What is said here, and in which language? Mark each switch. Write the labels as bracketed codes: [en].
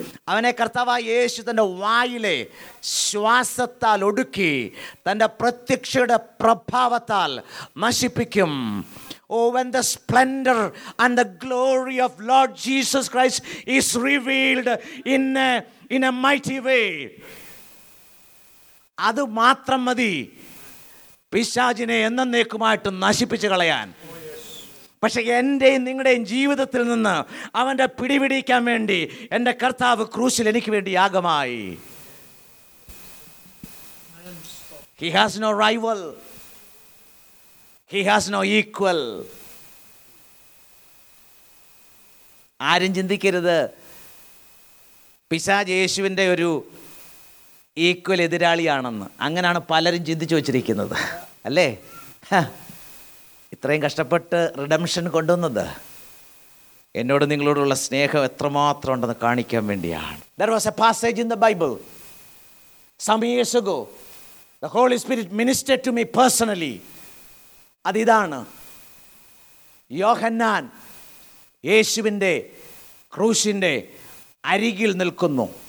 [ml] അവനെ കർത്താവായ യേശു തൻ്റെ വായിലെ ശ്വാസത്താൽ ഒടുക്കി തൻ്റെ പ്രത്യക്ഷയുടെ പ്രഭാവത്താൽ നശിപ്പിക്കും. [en] Oh, when the splendor and the glory of Lord Jesus Christ is revealed in a mighty way. [ml] അത് മാത്രം മതി പിശാചിനെ എന്നേക്കുമായിട്ട് നശിപ്പിച്ചു കളയാൻ. പക്ഷെ എൻ്റെയും നിങ്ങളുടെയും ജീവിതത്തിൽ നിന്ന് അവൻ്റെ പിടിപിടിക്കാൻ വേണ്ടി എൻ്റെ കർത്താവ് ക്രൂശിൽ എനിക്ക് വേണ്ടി യാഗമായി. [en] He has no rival, he has no equal. [ml] ആരും ചിന്തിക്കരുത് പിശാച് യേശുവിൻ്റെ ഒരു ഈക്വൽ എതിരാളിയാണെന്ന്. അങ്ങനെയാണ് പലരും ചിന്തിച്ചു വച്ചിരിക്കുന്നത് അല്ലേ? ഇത്രയും കഷ്ടപ്പെട്ട് റിഡംഷൻ കൊണ്ടുവന്നത് എന്നോട് നിങ്ങളോടുള്ള സ്നേഹം എത്രമാത്രം ഉണ്ടെന്ന് കാണിക്കാൻ വേണ്ടിയാണ്. [en] There was a passage in the Bible some years ago. The Holy Spirit ministered to me personally. [ml] അതിതാണ് യോഹന്നാൻ യേശുവിൻ്റെ ക്രൂശിൻ്റെ അരികിൽ നിൽക്കുന്നു.